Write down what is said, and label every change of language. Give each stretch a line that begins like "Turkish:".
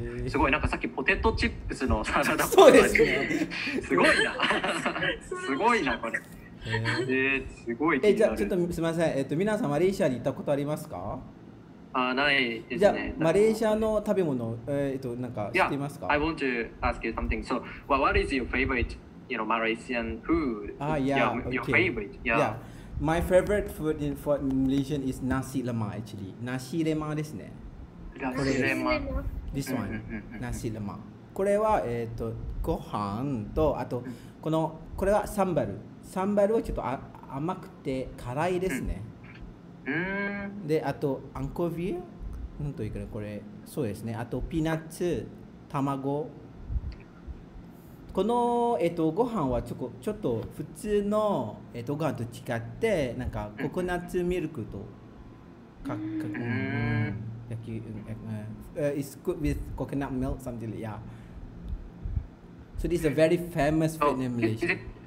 Japanese: すごい、なんかさっきポテトチップスのサラダパンです、ね、すごいなすごいなこれ、すごい気になる。じゃあちょっとすみません、皆さんマレーシアに行ったことありますか？あ、ないですね。じゃあマレーシアの食べ物、なんか知っていますか？
English: Yeah, I want to ask you something. So, well, what is your favorite, you know, Malaysian food? Ah, yeah, your, okay. Your favorite, yeah. Yeah. My favorite food in for Malaysia is nasi lemak, actually.
Japanese: Nasi lemak ですね。これです。
English: This one、ナシレマ。
Japanese: これはご飯とあとこのこれはサンバル。サンバルはちょっと甘くて辛いですね。で、あとアンコビュー。なんというかこれそうですね。あとピーナッツ、卵。このご飯はちょっと普通のご飯と違ってなんかココナッツミルクとかか。
English: It's good with coconut milk, something like that. So this is a very famous food in Malaysia.